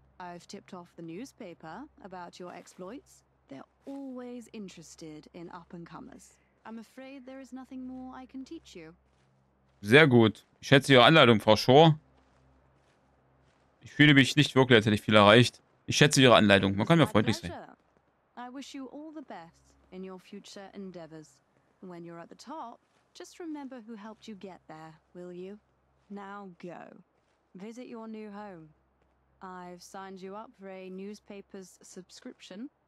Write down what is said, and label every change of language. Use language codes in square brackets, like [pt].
[en] I've tipped off the newspaper about your exploits. They're always interested in up-and-comers. I'm afraid there is nothing more I can teach you. [de] Sehr gut. Ich schätze Ihre Anleitung, Frau Shore. Ich fühle mich nicht wirklich, als hätte ich viel erreicht. Ich schätze Ihre Anleitung. Man kann mir freundlich sein. [en] I wish you all the best in your future endeavors. When you're at the top, just remember who helped you get there, will you? Now go. Visit your new home. I've signed you up for a newspaper's subscription.